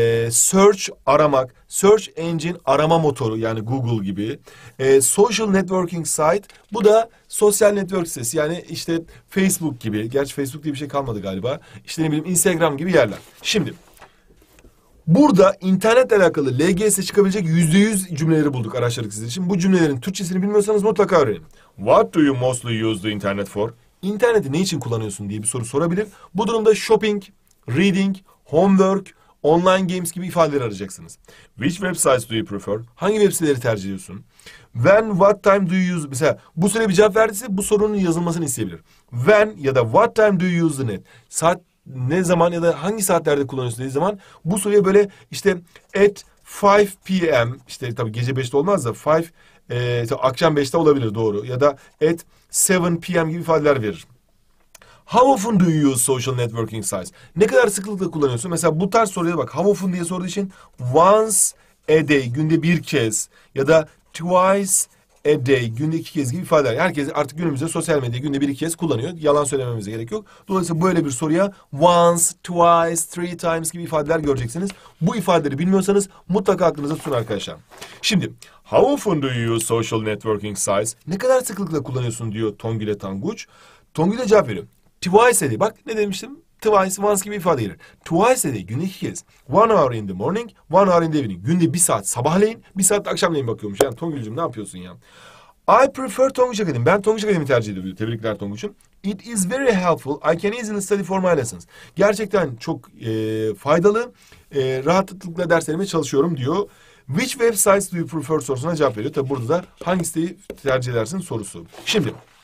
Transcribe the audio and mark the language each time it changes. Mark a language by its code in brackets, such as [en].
[tr] Search aramak, search engine arama motoru yani Google gibi, social networking site bu da sosyal network sitesi yani işte Facebook gibi, gerçi Facebook diye bir şey kalmadı galiba, işte ne bileyim Instagram gibi yerler. Şimdi burada internetle alakalı LGS'e çıkabilecek %100 cümleleri bulduk araştırdık sizin için. Bu cümlelerin Türkçesini bilmiyorsanız mutlaka öğrenin. [en] What do you mostly use the internet for? [tr] İnterneti ne için kullanıyorsun diye bir soru sorabilir. Bu durumda shopping, reading, homework, online games gibi ifadeler arayacaksınız. [en] Which websites do you prefer? [tr] Hangi web siteleri tercih ediyorsun? [en] When, what time do you use? [tr] Mesela bu soruya bir cevap verdiyse bu sorunun yazılmasını isteyebilir. When ya da [en] what time do you use the net? [tr] Saat ne zaman ya da hangi saatlerde kullanıyorsun dediği zaman bu soruya böyle işte at 5 p.m. işte tabii gece 5'te olmaz da 5 akşam 5'te olabilir doğru ya da at 7 p.m. gibi ifadeler verir. [en] How often do you use social networking sites? [tr] Ne kadar sıklıkla kullanıyorsun? Mesela bu tarz soruya bak. How often diye sorduğu için once a day, günde bir kez ya da twice a day, günde iki kez gibi ifadeler. Herkes artık günümüzde sosyal medyayı günde bir iki kez kullanıyor. Yalan söylememize gerek yok. Dolayısıyla böyle bir soruya once, twice, three times gibi ifadeler göreceksiniz. Bu ifadeleri bilmiyorsanız mutlaka aklınıza tutun arkadaşlar. Şimdi [en] how often do you use social networking sites? [tr] Ne kadar sıklıkla kullanıyorsun diyor Tongül'e Tanguç. Tongül'e cevap veriyor. Twice a day. Bak ne demiştim? Twice, once gibi ifade gelir. Twice a day. Günde iki kez. [en] One hour in the morning, one hour in the evening. [tr] Günde bir saat sabahleyin, bir saat akşamleyin bakıyormuş. Yani Tonguç'um ne yapıyorsun ya? [en] I prefer Tonguç Akademi. [tr] Ben Tonguç Akademi tercih ediyorum. Tebrikler Tonguç'um. [en] It is very helpful. I can easily study for my lessons. [tr] Gerçekten çok faydalı. Rahatlıkla derslerime çalışıyorum diyor. [en] Which websites do you prefer [tr] sorusuna cevap veriyor. Tabi burada da hangisini tercih edersin sorusu. Şimdi